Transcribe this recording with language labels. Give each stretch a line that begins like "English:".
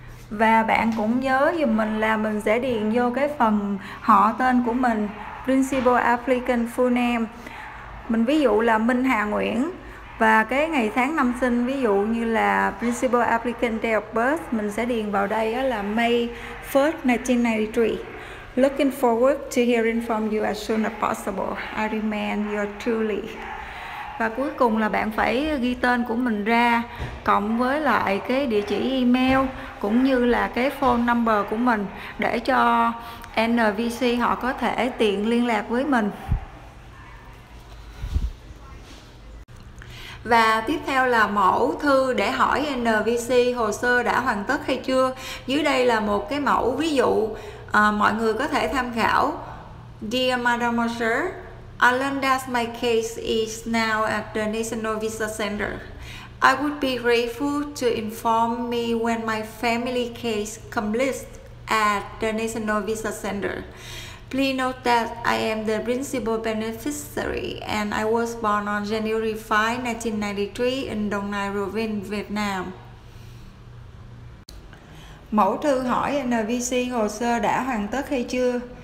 Vietnamese: Và bạn cũng nhớ giùm mình là mình sẽ điền vô cái phần họ tên của mình,
English: principal applicant full name,
Vietnamese: mình ví dụ là Minh Hà Nguyễn, và cái ngày tháng năm sinh ví dụ như là
English: principal applicant date of birth
Vietnamese: mình sẽ điền vào đây là
English: May 1st 1993. Looking forward to hearing from you as soon as possible. I remain your truly.
Vietnamese: Và cuối cùng là bạn phải ghi tên của mình ra cộng với lại cái địa chỉ email cũng như là cái phone number của mình để cho NVC họ có thể tiện liên lạc với mình. Và tiếp theo là mẫu thư để hỏi NVC hồ sơ đã hoàn tất hay chưa. Dưới đây là một cái mẫu ví dụ mọi người có thể tham khảo.
English: Dear Madam Mosher, I learned that my case is now at the National Visa Center. I would be grateful to inform me when my family case completes at the National Visa Center. Please note that I am the principal beneficiary and I was born on January 5, 1993 in Dong Nai Province, Vietnam.
Vietnamese: Mẫu thư hỏi NVC hồ sơ đã hoàn tất hay chưa?